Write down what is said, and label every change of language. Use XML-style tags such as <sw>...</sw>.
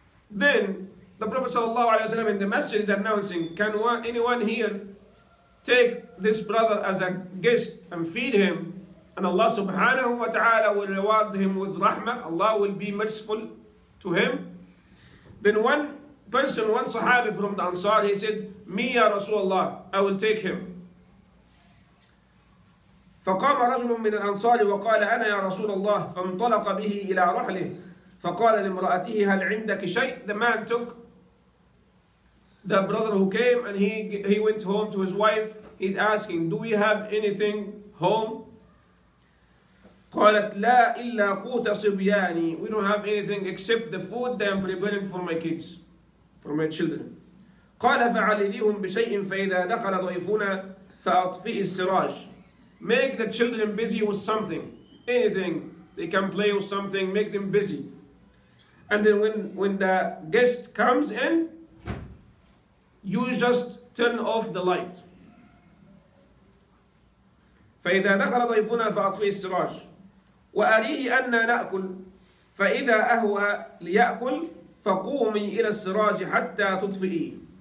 <en>Then the Prophet sallallahu alayhi wa sallam in the masjid is announcing, can anyone here take this brother as a guest and feed him? And Allah subhanahu wa ta'ala will reward him with rahmah. Allah will be merciful to him. Then one person, one sahabi from the Ansar, he said, me ya Rasulullah, I will take him.</en> <ar>فقام رجل من الأنصار وقال أنا يا رسول الله فانطلق به إلى رحله فقال لامرأته هل عندك شيء.</ar> <en>The man took the brother who came and he went home to his wife. He's asking, do we have anything home?</en> <ar>قالت لا إلا قوت صبياني.</ar> <en>We don't have anything except the food that I'm preparing for my kids, for my children.</en> <ar>قال فعلليهم بشيء فإذا دخل ضيفنا فأطفئ السراج.</ar> <en>Make the children busy with something, anything. They can play with something, make them busy. And then when the guest comes in, you just turn off the light.</en> <ar>فَإِذَا دَخَلَ ضَيْفُنَا فَأَطْفِئِ السِّرَاجِ وَأَرِيهِ أَنَّا نَأْكُلْ فَإِذَا أَهْوَى لِيَأْكُلْ فَقُومِي إِلَى السِّرَاجِ حَتَّى تُطْفِئِي.</ar>